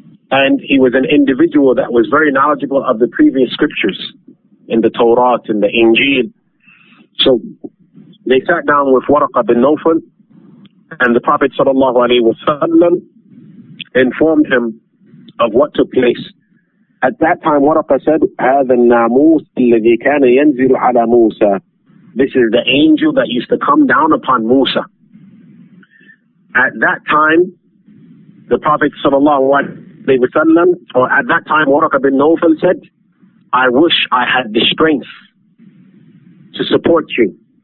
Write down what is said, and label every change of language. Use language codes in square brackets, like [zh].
[en] And he was an individual that was very knowledgeable of the previous scriptures in the Torah and the Injil. So they sat down with Waraqa bin Nawfal, and the Prophet sallallahu alaihi wasallam informed him of what took place. At that time, Waraqa said, [ar] هذا الناموس الذي كان ينزل على موسى. [en] This is the angel that used to come down upon Musa. At that time, the Prophet sallallahu alaihi wasallam, or at that time, Waraqa bin Nawfal said, I wish I had the strength to support you.